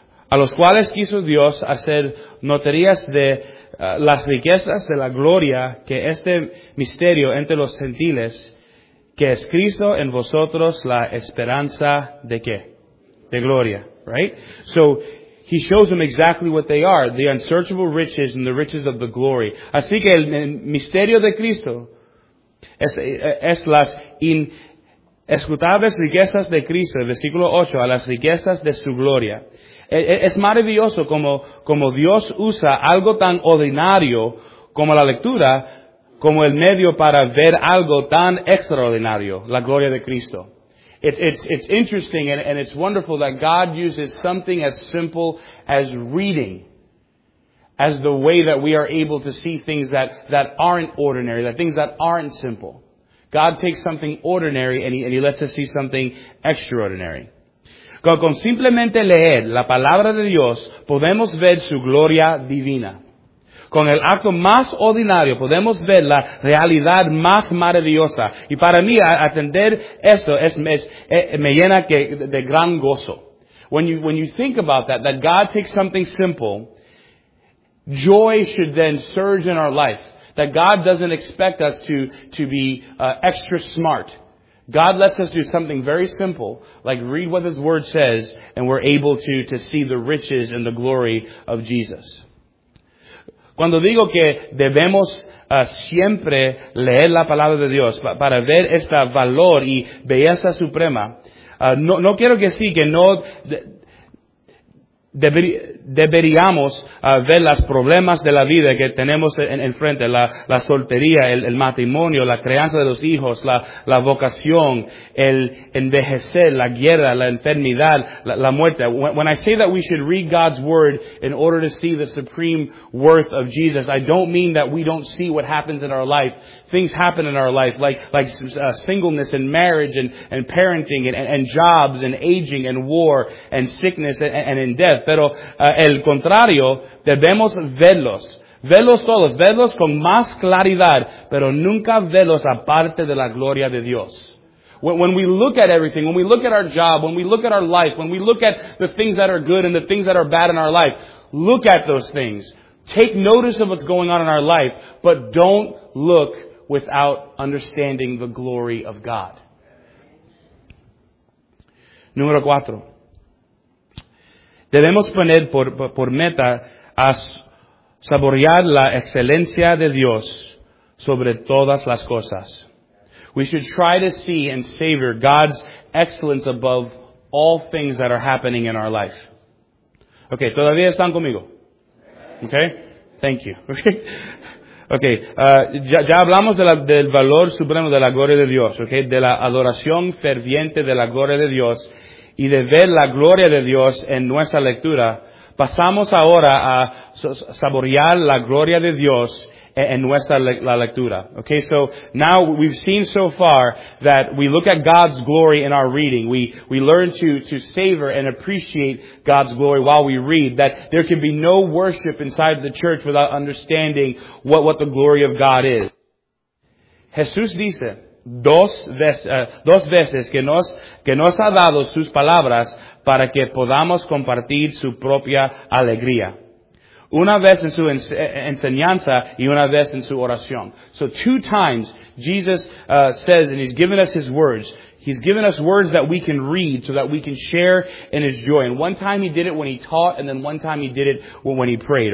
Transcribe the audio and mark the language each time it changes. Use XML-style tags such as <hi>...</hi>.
<es>A los cuales quiso Dios hacer notorias de las riquezas de la gloria que este misterio entre los gentiles, que es Cristo en vosotros la esperanza de qué? De gloria,</es> <en>right? So, he shows them exactly what they are, the unsearchable riches and the riches of the glory.</en> <es>Así que el misterio de Cristo es las inescrutables riquezas de Cristo, versículo 8, a las riquezas de su gloria. Es maravilloso como Dios usa algo tan ordinario como la lectura, como el medio para ver algo tan extraordinario, la gloria de Cristo.</es> <en>It's interesting and it's wonderful that God uses something as simple as reading as the way that we are able to see things that aren't ordinary, that things that aren't simple. God takes something ordinary and he lets us see something extraordinary.</en> <es>Con simplemente leer la palabra de Dios, podemos ver su gloria divina. Con el acto más ordinario podemos ver la realidad más maravillosa. Y para mí, atender esto me llena de gran gozo.</es> <en>When you think about that God takes something simple, joy should then surge in our life. That God doesn't expect us to be extra smart. God lets us do something very simple, like read what His Word says, and we're able to see the riches and the glory of Jesus.</en> <es>Cuando digo que debemos siempre leer la palabra de Dios para ver esta valor y belleza suprema, no quiero que sí, que no deberíamos ver los problemas de la vida que tenemos en frente, la soltería, el matrimonio, la crianza de los hijos, la vocación, el envejecer, la guerra, la enfermedad, la muerte.</es> <en>When I say that we should read God's Word in order to see the supreme worth of Jesus, I don't mean that we don't see what happens in our life. Things happen in our life, like singleness and marriage and parenting and jobs and aging and war and sickness and in death.</en> <es>Pero el contrario, debemos verlos todos, verlos con más claridad, pero nunca verlos aparte de la gloria de Dios.</es> <en>When we look at everything, when we look at our job, when we look at our life, when we look at the things that are good and the things that are bad in our life, look at those things. Take notice of what's going on in our life, but don't look without understanding the glory of God.</en> <es>Número 4. Debemos poner por meta a saborear la excelencia de Dios sobre todas las cosas.</es> <en>We should try to see and savor God's excellence above all things that are happening in our life.</en> <es>Okay, ¿todavía están conmigo? Okay,</es> <en>thank you.</en> <es>Okay, ya hablamos del valor supremo de la gloria de Dios, okay, de la adoración ferviente de la gloria de Dios, y de ver la gloria de Dios en nuestra lectura, pasamos ahora a saborear la gloria de Dios en nuestra la lectura.</es> <en>Okay, so now we've seen so far that we look at God's glory in our reading. We learn to savor and appreciate God's glory while we read, that there can be no worship inside the church without understanding what the glory of God is.</en> <es>Jesús dice dos veces que nos ha dado sus palabras para que podamos compartir su propia alegría. Una vez en su enseñanza y una vez en su oración.</es> <en>So two times Jesus says, and he's given us his words. He's given us words that we can read so that we can share in his joy. And one time he did it when he taught, and then one time he did it when he prayed.</en>